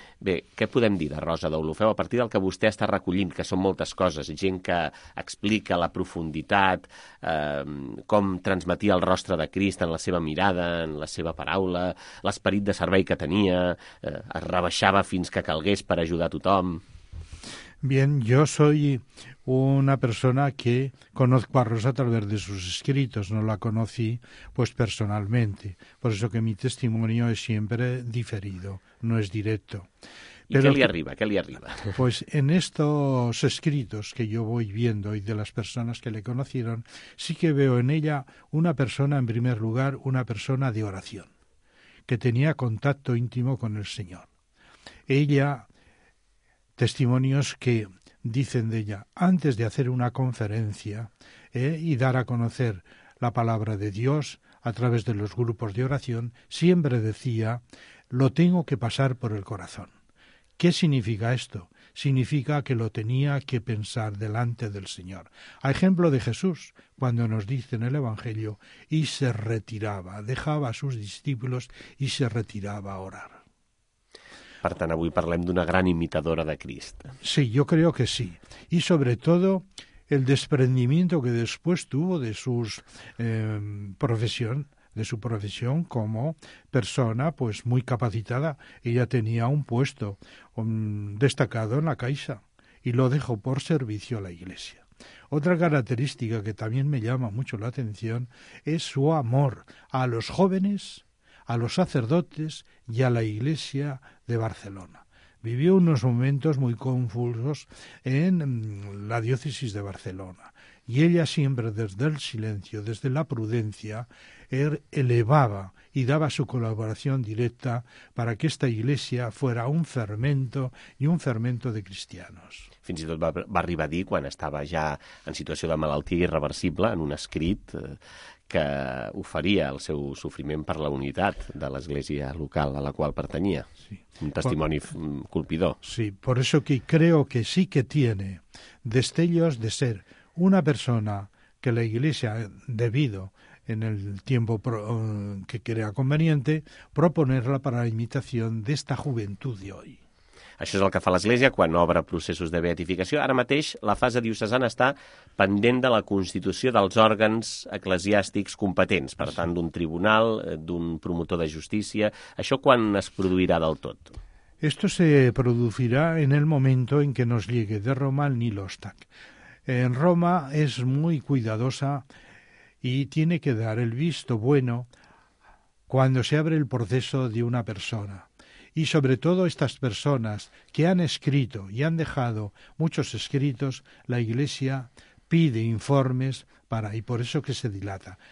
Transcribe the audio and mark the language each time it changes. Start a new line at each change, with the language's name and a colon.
Catalan: Bé, què podem dir de Rosa d'Olofeu a partir del que vostè està recollint, que són moltes coses, gent que explica la profunditat, com transmetia el rostre de Crist en la seva mirada, en la seva paraula, l'esperit de servei que tenia, es rebaixava fins que calgués per ajudar tothom?
Spanish: Bien, yo soy una persona que conozco a Rosa a través de sus escritos, no la conocí pues personalmente, por eso que mi testimonio es siempre diferido, no es directo. Pero, ¿y qué le arriba? ¿Qué le arriba? Pues en estos escritos que yo voy viendo y de las personas que le conocieron, sí que veo en ella una persona, en primer lugar, una persona de oración, que tenía contacto íntimo con el Señor. Ella, testimonios que dicen de ella, antes de hacer una conferencia y dar a conocer la palabra de Dios a través de los grupos de oración, siempre decía, lo tengo que pasar por el corazón. ¿Qué significa esto? Significa que lo tenía que pensar delante del Señor. A ejemplo de Jesús, cuando nos dice en el Evangelio, y se retiraba, dejaba a sus discípulos y se retiraba a orar.
Catalan: Per tant, avui parlem d'una gran imitadora de Crist.
Spanish: Sí, yo creo que sí. Y sobre todo, el desprendimiento que después tuvo de su profesión como persona pues muy capacitada. Ella tenía un puesto destacado en la Caixa y lo dejó por servicio a la Iglesia. Otra característica que también me llama mucho la atención es su amor a los jóvenes, a los sacerdotes y a la Iglesia de Barcelona. Vivió unos momentos muy convulsos en la diócesis de Barcelona. Y ella siempre, desde el silencio, desde la prudencia, elevaba y daba su colaboración directa para que esta iglesia fuera un fermento y un fermento de cristianos.
Catalan: Fins i tot va arribar a dir, quan estava ja en situació de malaltia irreversible, en un escrit, que oferia el seu sofriment per la unitat de l'església local a la qual pertanyia. Sí. Un testimoni colpidor.
Spanish: Sí, por eso que creo que sí que tiene destellos de ser una persona que la Iglesia, debido en el tiempo que crea conveniente, proponerla para la imitación de esta juventud de hoy.
Catalan: Això és el que fa l'Església quan obre processos de beatificació. Ara mateix, la fase diocesana està pendent de la constitució dels òrgans eclesiàstics competents, per tant, d'un tribunal, d'un promotor de justícia. Això quan es produirà del tot?
Spanish: Esto se producirá en el momento en que nos llegue de Roma el Nilostak. En Roma es muy cuidadosa y tiene que dar el visto bueno cuando se abre el proceso de una persona. Y sobre todo estas personas que han escrito y han dejado muchos escritos, la Iglesia pide informes para, y por eso que se dilata.